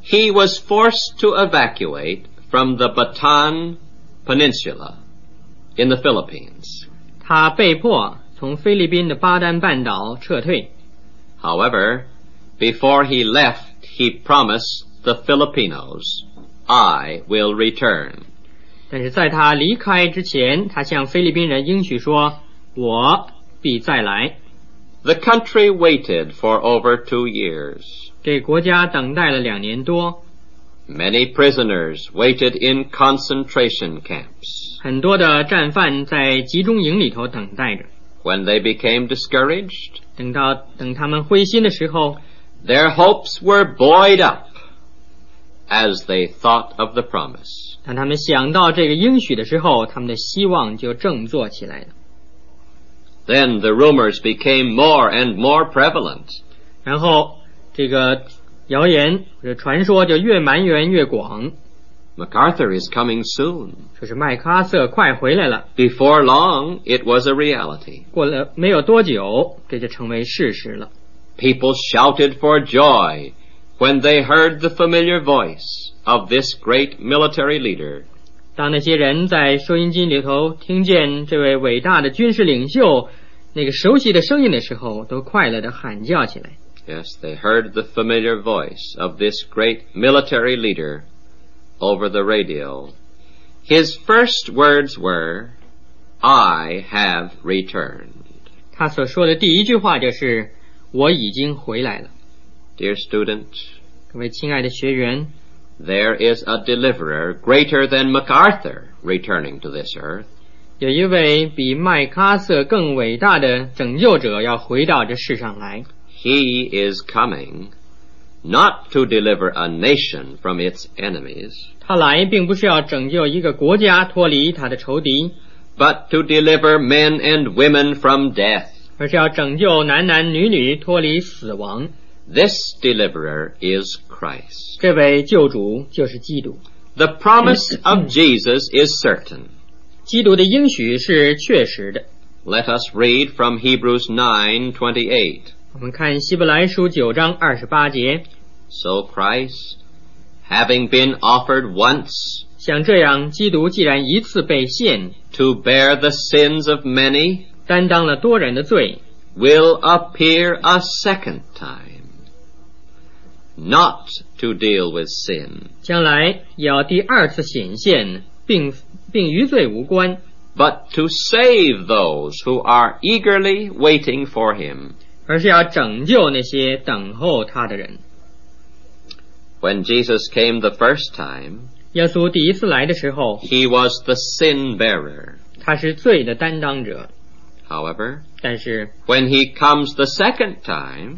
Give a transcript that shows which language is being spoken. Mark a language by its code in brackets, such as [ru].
[en] he was forced to evacuate from the Bataan Peninsula in the Philippines. [zh] 他被迫从菲律宾的巴丹半岛撤退。 [en] However, before he left, he promised the Filipinos, I will return. [zh] 但是在他离开之前，他向菲律宾人应许说，我必再来。 [en] The country waited for over 2 years. [zh] 给国家等待了两年多。 [en] Many prisoners waited in concentration camps. [zh] 很多的战犯在集中营里头等待着。 [en] When they became discouraged, [zh] 等他们灰心的时候， [en] their hopes were buoyed up as they thought of the promise. [zh] 当他们想到这个应许的时候，他们的希望就振作起来了。 [en] Then the rumors became more and more prevalent. [zh] 然后这个谣言或者传说就越蔓延越广。 [en] MacArthur is coming soon. [zh] 就是麦克阿瑟快回来了。 [en] Before long, it was a reality. [zh] 过了没有多久，这就成为事实了。 [en] People shouted for joy when they heard the familiar voice of this great military leader. [zh] 当那些人在收音机里头听见这位伟大的军事领袖那个熟悉的声音的时候，都快乐地喊叫起来。 [en] Yes, they heard the familiar voice of this great military leader over the radio. His first words were, I have returned. [zh] 他所说的第一句话就是，我已经回来了。 [en] Dear student, [zh] 各位亲爱的学员， [en] There is a deliverer greater than MacArthur returning to this earth. [zh] 有一位比麦克阿瑟更伟大的拯救者要回到这世上来。 [en] He is coming not to deliver a nation from its enemies. [zh] 他来并不是要拯救一个国家脱离他的仇敌， [en] but to deliver men and women from death. [zh] 而是要拯救男男女女脱离死亡。 [en] This deliverer is Christ. [zh] 这位救主就是基督。 [en] The promise of Jesus is certain. [zh] 基督的应许是确实的。 [en] Let us read from Hebrews 9:28. [zh] 我们看希伯来书九章二十八节。 [en] So Christ, having been offered once, [zh] 像这样，基督既然一次被献 [en] ，to bear the sins of many, [zh] 担当了多人的罪 [en] ，will appear a second time. Not to deal with sin. [zh] 将来要第二次显现， 并与罪无关。 [en] But to save those who are eagerly waiting for him. [zh] 而是要拯救那些等候他的人。 [en] When Jesus came the first time, [zh] 耶稣第一次来的时候, [en] he was the sin bearer. [zh] 他是罪的担当者。 [en] However, [zh] 但是, [en] when he comes the second time,